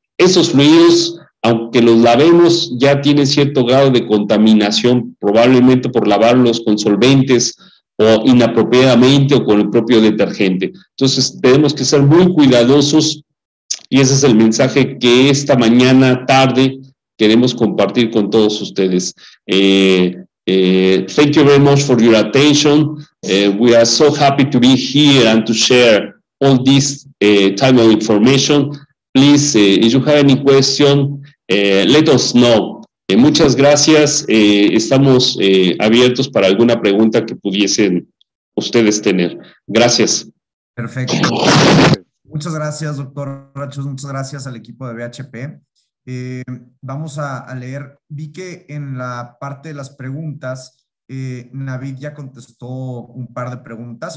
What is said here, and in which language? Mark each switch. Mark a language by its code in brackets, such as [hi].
[es] Esos fluidos, aunque los lavemos, ya tienen cierto grado de contaminación, probablemente por lavarlos con solventes, o inapropiadamente o con el propio detergente. Entonces, tenemos que ser muy cuidadosos y ese es el mensaje que esta mañana tarde queremos compartir con todos ustedes. [en] Thank you very much for your attention. We are so happy to be here and to share all this time of information. Please, if you have any question, let us know. [es] Muchas gracias. Estamos abiertos para alguna pregunta que pudiesen ustedes tener. Gracias. Perfecto. Muchas gracias, doctor Gachuz. Muchas gracias al equipo de BHP. Vamos a leer. Vi que en la parte de las preguntas, Navid ya contestó un par de preguntas.